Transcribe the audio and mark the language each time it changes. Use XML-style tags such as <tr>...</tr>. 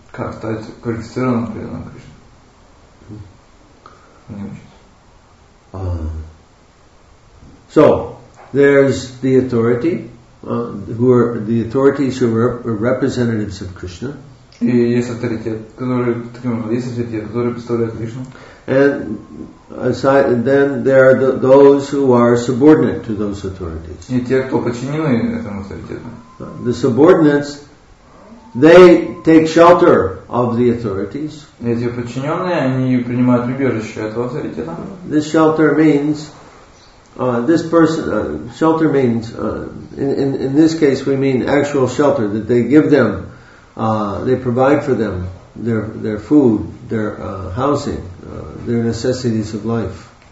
<ru>Как стать квалифицированным преданным Кришне?</ru> <en>So there's the authority, who are the authorities who are representatives of Krishna.</en> <ru>И есть авторитет, который таким образом есть авторитет, который представляет Кришну.</ru> <en>And aside, then there are those who are subordinate to those authorities.</en> <ru>И те, кто подчинены этому авторитету.</ru> <en>The subordinates, they take shelter of the authorities.</en> <ru>Эти подчиненные, они принимают убежище этого авторитета.</ru> <en>This shelter means in this case we mean actual shelter, that they give them, they provide for them their food, their housing, their necessities of life.</en>